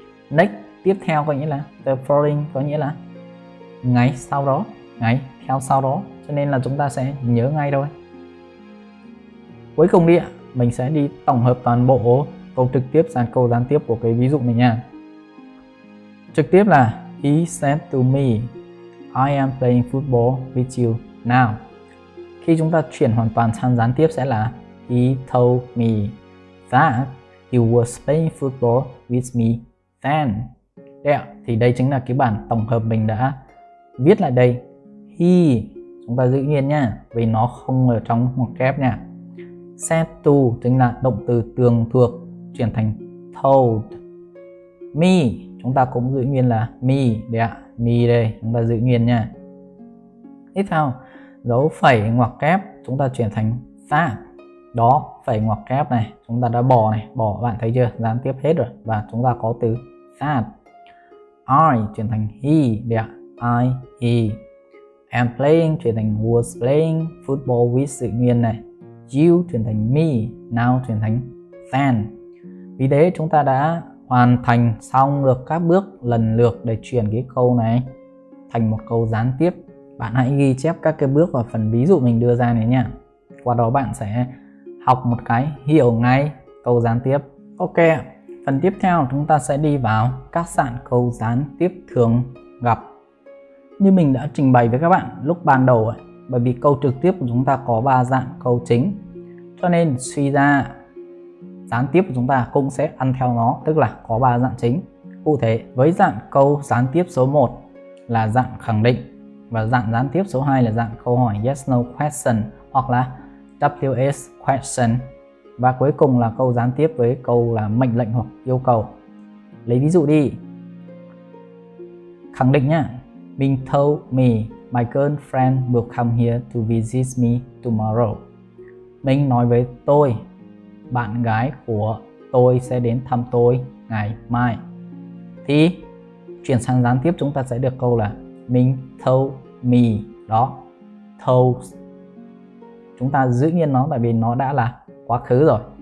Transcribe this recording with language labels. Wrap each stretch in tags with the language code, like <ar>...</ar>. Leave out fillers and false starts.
<vi>Next, tiếp theo có nghĩa là the following, có nghĩa là ngày sau đó, ngày theo sau đó. Cho nên là chúng ta sẽ nhớ ngay thôi. Cuối cùng đi ạ, mình sẽ đi tổng hợp toàn bộ câu trực tiếp sang câu gián tiếp của cái ví dụ này nha. Trực tiếp là</vi> <en>he said to me, I am playing football with you now.</en> <vi>Khi chúng ta chuyển hoàn toàn sang gián tiếp sẽ là</vi> <en>he told me that "You were playing football with me then."</en> <vi>Đây ạ, thì đây chính là cái bản tổng hợp mình đã viết lại đây. He, chúng ta giữ nguyên nha, vì nó không ở trong một kép nha. Said to chính là động từ tường thuộc chuyển thành told. Me, chúng ta cũng giữ nguyên là me, đây ạ, me đây, chúng ta giữ nguyên nha. Tiếp theo, dấu phẩy ngoặc kép chúng ta chuyển thành that. Đó, phẩy ngoặc kép này, chúng ta đã bỏ này, bỏ, bạn thấy chưa, gián tiếp hết rồi. Và chúng ta có từ that. I chuyển thành he, đây ạ, I, he. And playing chuyển thành was playing football with sự nguyên này. You chuyển thành me, now chuyển thành then. Vì thế chúng ta đã hoàn thành xong được các bước lần lượt để chuyển cái câu này thành một câu gián tiếp. Bạn hãy ghi chép các cái bước và phần ví dụ mình đưa ra này nha. Qua đó bạn sẽ học một cái hiểu ngay câu gián tiếp. Ok, phần tiếp theo chúng ta sẽ đi vào các sản câu gián tiếp thường gặp. Như mình đã trình bày với các bạn lúc ban đầu ấy, bởi vì câu trực tiếp của chúng ta có 3 dạng câu chính, cho nên suy ra gián tiếp của chúng ta cũng sẽ ăn theo nó, tức là có 3 dạng chính. Cụ thể, với dạng câu gián tiếp số 1 là dạng khẳng định, và dạng gián tiếp số 2 là dạng câu hỏi yes no question hoặc là WS question, và cuối cùng là câu gián tiếp với câu là mệnh lệnh hoặc yêu cầu. Lấy ví dụ đi, khẳng định nhá.</vi> <en>Bing told me my girlfriend will come here to visit me tomorrow.</en> <vi>Mình nói với tôi, bạn gái của tôi sẽ đến thăm tôi ngày mai. Thì chuyển sang gián tiếp chúng ta sẽ được câu là</vi> <en>Bing told me.</en> <vi>Đó, told. Chúng ta giữ nguyên nó tại vì nó đã là quá khứ rồi.</vi>